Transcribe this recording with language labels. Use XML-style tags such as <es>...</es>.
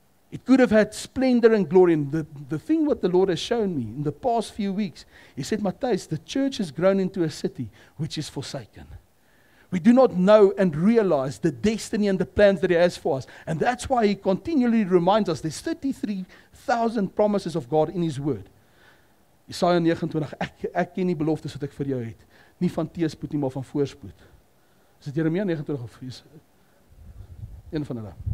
<en>It could have had splendor and glory. And the thing what the Lord has shown me in the past few weeks, he said, Mathys, the church has grown into a city which is forsaken. We do not know and realize the destiny and the plans that he has for us. And that's why he continually reminds us there's 33,000 promises of God in his word.</en> <af>Isaiah 29, ek ken die beloftes wat ek vir jou het. Nie van teespoed nie, maar van voorspoed. Is dit Jeremia 29 of is een van hulle?</af>